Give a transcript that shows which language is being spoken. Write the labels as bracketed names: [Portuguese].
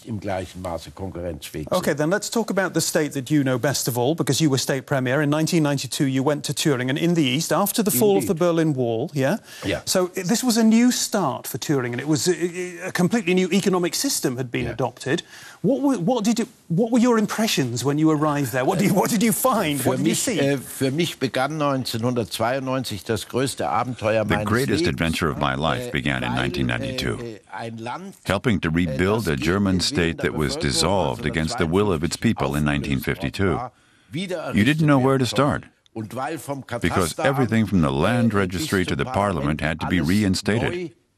[English] Okay, then let's talk about the state that you know best of all, because you were state premier. In 1992, you went to Thüringen in the east after the fall of the Berlin Wall, yeah? Yeah. So this was a new start for Thüringen. It was a completely new economic system had been adopted. What were your impressions when you arrived there? What did you find? What did you see? [German] Für mich begann 1992 das größte Abenteuer meines Lebens. [English] The greatest adventure of my life began in 1992, helping to rebuild a German state that was dissolved against the will of its people in 1952. You didn't know where to start, because everything from the land registry to the parliament had to be reinstated.